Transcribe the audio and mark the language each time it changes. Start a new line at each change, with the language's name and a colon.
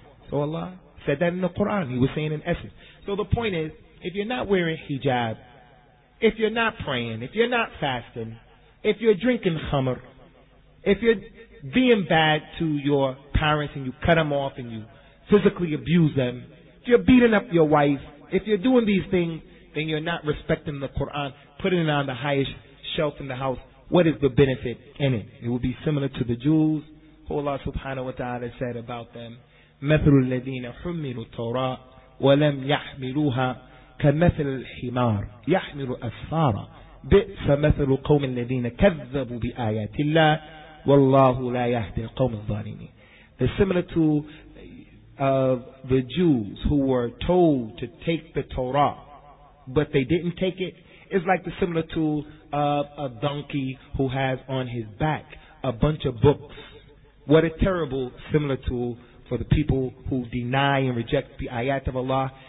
English: So Allah said that in the Quran. He was saying in essence. So the point is, if you're not wearing hijab, if you're not praying, if you're not fasting, if you're drinking khamr, if you're being bad to your parents and you cut them off and you physically abuse them, if you're beating up your wife, if you're doing these things, then you're not respecting the Quran, putting it on the highest shelf in the house. What is the benefit in it? It will be similar to the Jews, who Allah subhanahu wa ta'ala said about them,
Arabic: مَثَلُ الَّذِينَ حُمِّلُوا التَّوْرَاءَ وَلَمْ يَحْمِلُوهَا كَمَثَلِ الْحِمَارِ يَحْمِلُ أَسْفَارًا بِئْسَ مَثَلُ قَوْمِ الَّذِينَ كَذَّبُوا بِآيَاتِ اللَّهِ وَاللَّهُ لَا يَهْدِي الْقَوْمَ الظَّالِمِينَ.
English: It's similar to the Jews who were told to take the Torah, but they didn't take it. It's like the similar to a donkey who has on his back a bunch of books. What a terrible similar tool for the people who deny and reject the ayat of Allah.